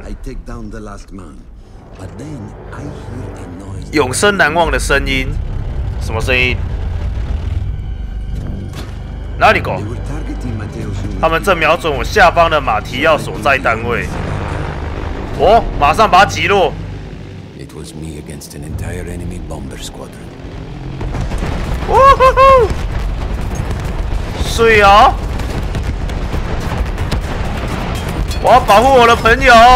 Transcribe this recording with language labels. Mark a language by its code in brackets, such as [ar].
[en] I take down the last man, but then I hear a noise. [zh] 永生难忘的声音，什么声音？哪里狗？他们正瞄准我下方的马提奥所在单位。哦，马上把他击落。 [en] It was me against an entire enemy bomber squadron. [zh] 哇哈哈！睡啊！我要保护我的朋友。